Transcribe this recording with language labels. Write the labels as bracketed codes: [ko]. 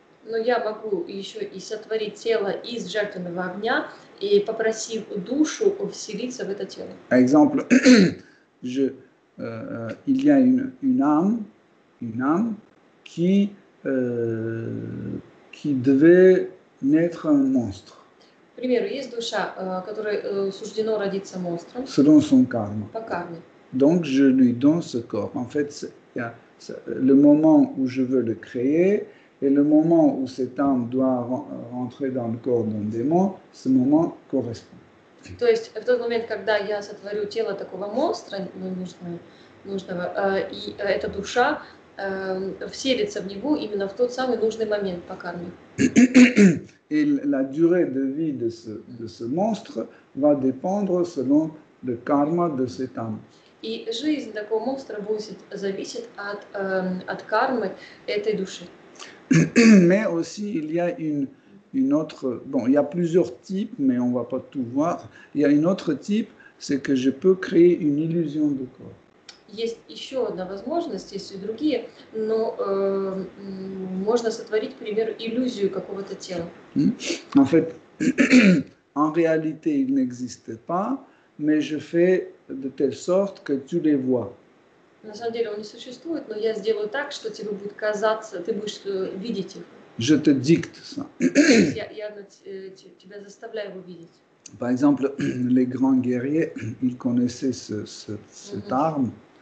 [ru] Но я могу еще и сотворить тело из жертвенного огня и попросив душу вселиться в это тело. [fr] Exemple, il y a une âme qui devait naître un monstre. [ru] К примеру, есть душа, которой суждено родиться монстром. [fr] Selon son karma. [ru] По карме. [fr] Donc je lui donne ce corps. En fait, c'est le moment où je veux le créer. Et le moment où cette âme doit rentrer dans le corps d'un démon, ce moment correspond. [ru] То есть в тот момент, когда я сотворю тело такого монстра, нужного, и эта душа вселится в него именно в тот самый нужный момент по карме. [fr] Et la durée de vie de ce monstre va dépendre selon le karma de cette âme. [ru] И жизнь такого монстра будет зависеть от кармы этой души. [fr] Mais aussi il y a une autre, bon il y a plusieurs types mais on va pas tout voir, il y a une autre type, c'est que je peux créer une illusion de corps. [ru] Есть еще одна возможность, есть и другие, но можно сотворить, к примеру, иллюзию какого-то тела. [fr] En fait, en réalité il n'existe pas, mais je fais de telle sorte que tu les vois. [ru] На самом деле он не существует, но я сделаю так, что тебе будет казаться, ты будешь видеть их. [fr] Je te dicte ça. [ru] Я тебя заставляю его видеть. [fr] Par exemple, les grands guerriers, ils connaissaient cette arme.